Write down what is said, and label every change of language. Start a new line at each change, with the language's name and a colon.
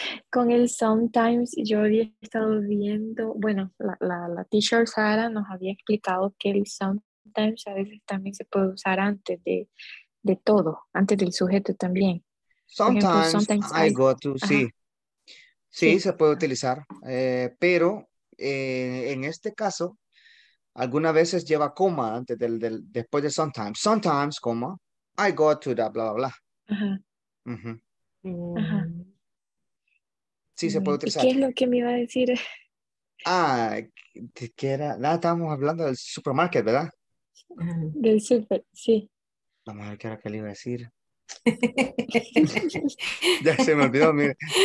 Spanish: Con el sometimes yo había estado viendo, bueno, la teacher Sara nos había explicado que el sometimes a veces también se puede usar antes de todo, antes del sujeto también.
English: Sometimes, ejemplo, sometimes I go to, sí.
Spanish: Sí, sí, se puede utilizar, pero en este caso, algunas veces lleva coma antes del después de sometimes.
English: Sometimes, coma, I go to that, bla, bla, bla.
Spanish: Ajá. Ajá. Sí, se puede utilizar. ¿Y qué es lo que me iba a decir? Ah, que era, nada, estábamos hablando del supermarket, ¿verdad? Del super, sí. Vamos a ver qué era que le iba a decir. Ya se me olvidó, mire.